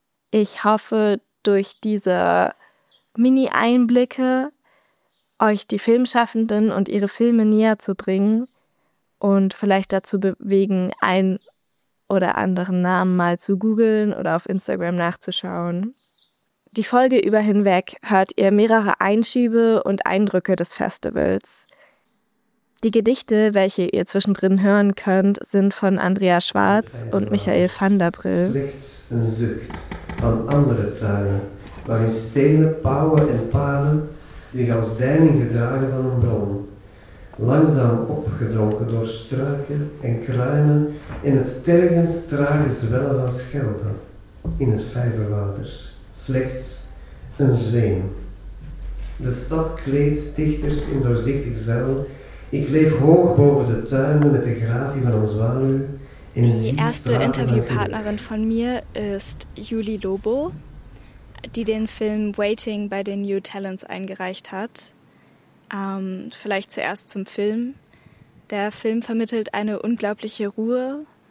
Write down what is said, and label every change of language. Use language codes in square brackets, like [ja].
[de] Ich hoffe, durch diese Mini-Einblicke euch die Filmschaffenden und ihre Filme näher zu bringen und vielleicht dazu bewegen, einen oder anderen Namen mal zu googeln oder auf Instagram nachzuschauen. Die Folge über hinweg hört ihr mehrere Einschübe und Eindrücke des Festivals. Die Gedichte, welche ihr zwischendrin hören könnt, sind von Andrea Schwarz und Michael van der Brill. [nl] Slechts een zucht van andere tuinen, waarin stenen, pauwen en palen zich als deining gedragen van een bron. Langzaam opgedronken door struiken en kruinen in het tergend trage zwellen van schelpen in het vijverwater. Slechts een zweem. De stad kleedt dichters in doorzichtig vel [de] Ich lebe hoch über den Tönen mit der Grazie von Oswaldo. Die erste Interviewpartnerin von mir ist Juli Lobo, die den Film Waiting bei den New Talents eingereicht hat. Vielleicht zuerst zum Film. Der Film vermittelt eine unglaubliche Ruhe.